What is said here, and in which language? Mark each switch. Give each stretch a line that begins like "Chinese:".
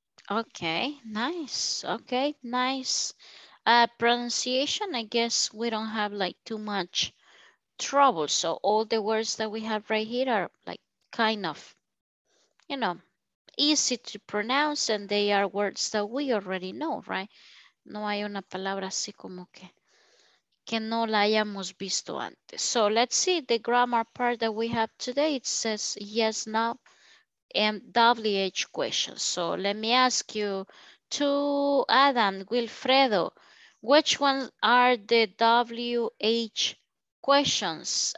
English: Okay, nice. Okay, nice. Pronunciation, I guess we don't have like too much trouble. So all the words that we have right here are like kind of, you know, easy to pronounce, and they are words that we already know, right?
Spanish: No hay una palabra así como que no la hayamos visto antes.
English: So let's see the grammar part that we have today. It says yes, no, and WH questions. So let me ask you to Adam, Wilfredo, which ones are the WH questions?